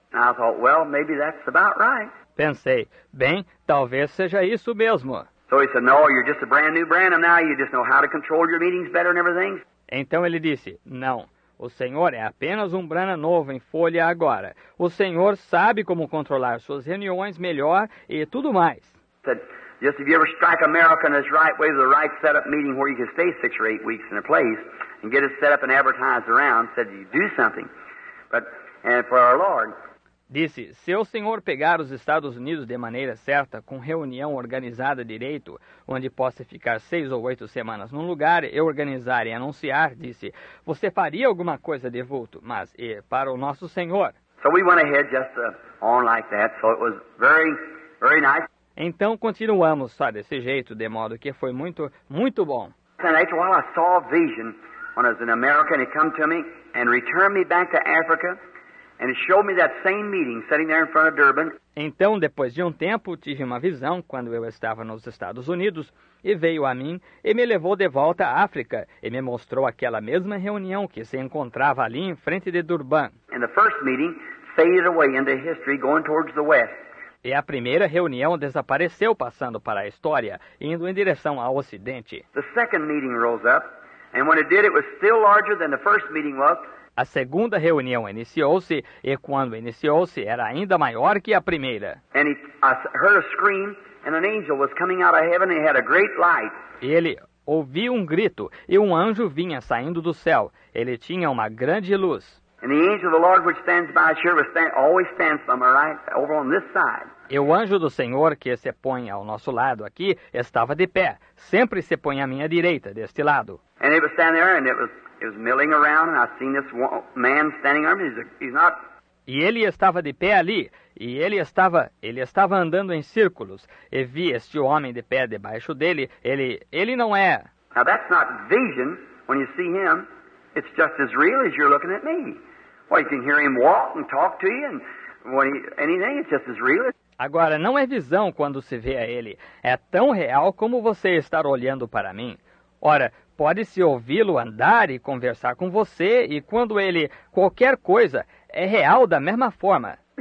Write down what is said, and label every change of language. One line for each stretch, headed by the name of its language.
English: I thought, well, maybe that's about right.
Portuguese: Pensei, bem, talvez seja isso mesmo.
English: So he said, no, you're just a brand new Branham now. You just know how to control your meetings better and everything.
Portuguese: Então ele disse, não, o senhor é apenas um Branham novo em folha agora. O senhor sabe como controlar suas reuniões melhor e tudo mais.
English: Said, Just if you ever strike America in this right way, the right setup meeting where you can stay 6 or 8 weeks in a place and get it set up and advertised around, said you do something. But, and for our Lord.
Portuguese: Disse, se o senhor pegar os Estados Unidos de maneira certa, com reunião organizada direito, onde possa ficar 6 ou 8 semanas num lugar e organizar e anunciar, disse, você faria alguma coisa de vulto, mas e para o nosso senhor.
English: So we went ahead just on like that, so it was very, very nice.
Portuguese: Então continuamos só desse jeito, de modo que foi muito, muito bom.
English: And after a while I saw a vision when I was in America and it came to me and returned me back to Africa. And it showed me that same meeting, sitting there in front of Durban.
Portuguese: Então, depois de tempo, tive uma visão quando eu estava nos Estados Unidos, e veio a mim e me levou de volta à África e me mostrou aquela mesma reunião que se encontrava ali em frente de Durban.
English: And the first meeting faded away into history, going towards the west.
Portuguese: E a primeira reunião desapareceu, passando para a história, indo em direção ao Ocidente.
English: The second meeting rose up, and when it did, it was still larger than the first meeting was.
Portuguese: A segunda reunião iniciou-se, e quando iniciou-se, era ainda maior que a primeira.
English: And I heard a scream, and an angel was coming out of heaven, and he had a great light.
Portuguese: Ele ouviu grito, e anjo vinha saindo do céu. Ele tinha uma grande luz.
English: And the angel of the Lord which stands by sure will stand, always stand somewhere, right? Over on this side.
Portuguese: E o anjo do Senhor, que se põe ao nosso lado aqui, estava de pé. Sempre se põe à minha direita, deste lado.
English: And he was standing there, and it was milling around, and I seen this man standing there. He's not.
Portuguese: E ele estava de pé ali, e ele estava andando em círculos. E vi este homem de pé debaixo dele. Ele não é.
English: Now that's not vision. When you see him, it's just as real as you're looking at me. Well, you can hear him walk and talk to you, and when anything, it's just as real.
Portuguese: Agora não é visão quando se vê a ele. É tão real como você estar olhando para mim. Ora, pode-se ouvi-lo andar e conversar com você, e quando ele... qualquer coisa, é real da mesma forma.